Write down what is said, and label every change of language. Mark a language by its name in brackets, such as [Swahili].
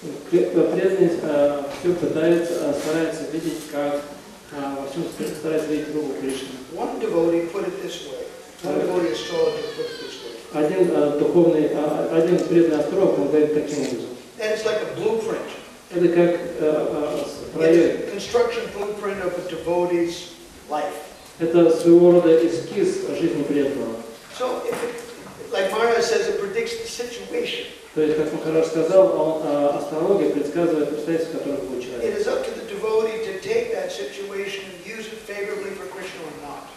[Russian] Преданный все старается видеть, как во всем старается видеть руку Кришны. [English] One devotee put it this way. One devotee astrologer put it this way. [Russian] Один преданный астролог он говорит таким образом. [English] And it's like a blueprint. [Russian] Это как проект. [English] It's a construction blueprint of a devotee's life. [Russian] Это своего рода эскиз жизни преданного. [English] So, like Maharaj says, it predicts the situation. [Russian] То есть, как Махарадж сказал, астрология предсказывает обстоятельства, которые будут человек. [English] It is up to the devotee to take that situation and use it favorably for Krishna or not.